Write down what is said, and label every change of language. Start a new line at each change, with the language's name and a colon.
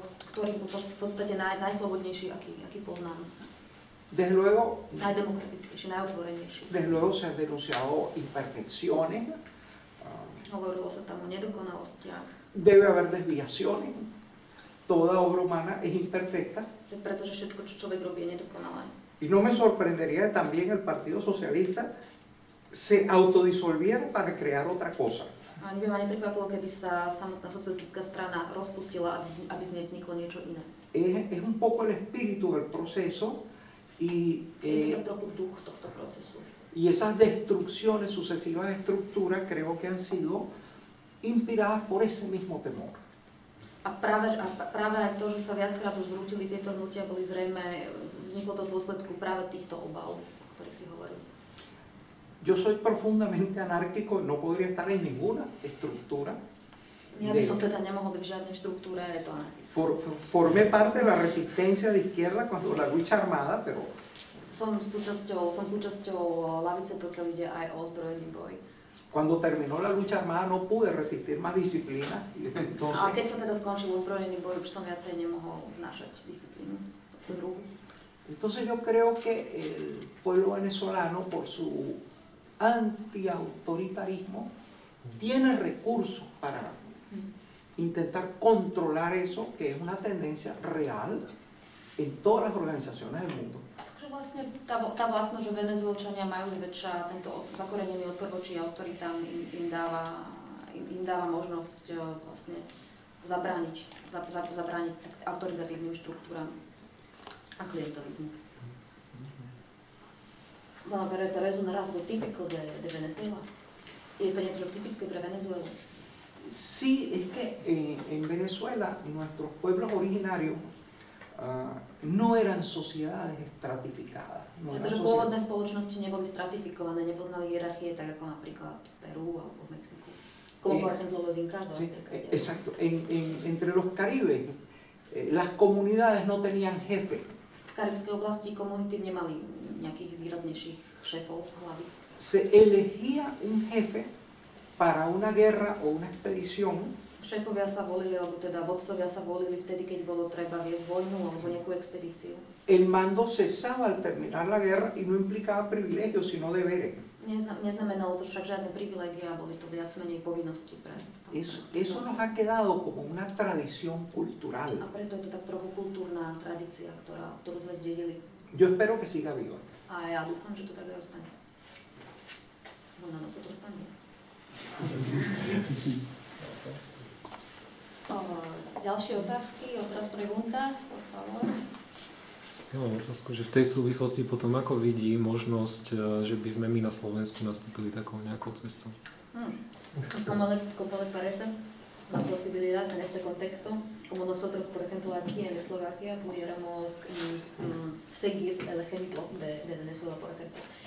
Slovak: Ktorý bol v podstate najslobodnejší, aký poznám.
Spanish: Desde luego,
Slovak: najdemokratickejší, najotvorenejší.
Spanish: Desde luego se ha denunciado imperfecciones.
Slovak: Hovorilo sa tam o nedokonalostiach.
Spanish: Debe haber desviaciones. Toda obra humana es imperfecta.
Slovak: Pretože všetko, čo človek robí, je nedokonalé.
Spanish: Y no me sorprendería que también el Partido Socialista se autodisolviera para crear otra cosa.
Slovak: Ani by ma neprekvapilo, keby sa samotná socialistická strana rozpustila, aby z nej vzniklo niečo iné.
Spanish: Es un poco el espíritu del proceso y...
Slovak: Je to trochu duch tohto procesu.
Spanish: Y esas destrucciones, sucesivas estructuras, creo que han sido inspiradas por ese mismo temor.
Slovak: A práve aj to, že sa viackrát už zrútili tieto hnutia, boli zrejme, vzniklo to v dôsledku práve týchto obav, o ktorých si hovoril.
Spanish: Yo soy profundamente anárquico, no podría estar en ninguna estructura.
Slovak: Ja by som teda nemohol byť v žiadnej štruktúre, je to anarchista.
Spanish: Formé parte de la resistencia de izquierda cuando la lucha armada, pero...
Slovak: Som súčasťou lavice, pokiaľ ide aj o ozbrojený boj.
Spanish: Cuando terminó la lucha armada no pude resistir más disciplina. Entonces...
Slovak: A keď sa teda skončil ozbrojený boj, už som viacej nemohol znášať disciplínu.
Spanish: Entonces yo creo que el pueblo venezolano por su antiautoritarismo tiene recursos para intentar controlar eso, que es una tendencia real en todas las organizaciones del mundo.
Slovak: Vlastne tá vlastnosť, že Venezuelčania majú zväčša tento zakorenený odpor voči autoritám, im dáva možnosť vlastne zabrániť autoritatívnym štruktúram a klientelizmu. Bola verejná rezon raz bol typical de Venezuela. Je to niečo typické pre Venezuelu?
Spanish: Sí, es que en Venezuela nuestros pueblos originarios no eran sociedades estratificadas.
Slovak: Pretože pôvodné spoločnosti neboli stratifikované, nepoznali hierarchie, tak ako napríklad v Perú alebo v Mexiku.
Spanish: Como por ejemplo los Incas. Sí, exacto. Entre los Caribes, las comunidades no tenían jefe.
Slovak: V karibskej oblasti komunity nemali nejakých výraznejších šéfov hlavy.
Spanish: Se elegía un jefe para una guerra o una expedición.
Slovak: Šéfovia sa volili, alebo teda vodcovia sa volili vtedy, keď bolo treba viesť vojnu alebo nejakú expedíciu.
Spanish: El mando cesaba al terminar la guerra y no implicaba privilegios, sino deberes.
Slovak: Neznamenalo to však žiadne privilegia, boli to viac menej povinnosti pre...
Spanish: Eso nos ha quedado como una tradición cultural.
Slovak: A preto je to tak trochu kultúrna tradícia, ktorú sme zdedili.
Spanish: Yo espero que siga viva.
Slovak: A ja dúfam, že to tak aj ostane. No na nás to ostane. Ďalšie otázky,
Spanish: por favor.
Slovak: Ja mám otázku, že v tej súvislosti potom ako vidí možnosť, že by sme my na Slovensku nastúpili takou nejakou cestou?
Spanish: Como le parece la posibilidad en este contexto, como nosotros, por ejemplo, aquí en Eslovaquia, pudiéramos seguir el ejemplo de Venezuela, por ejemplo.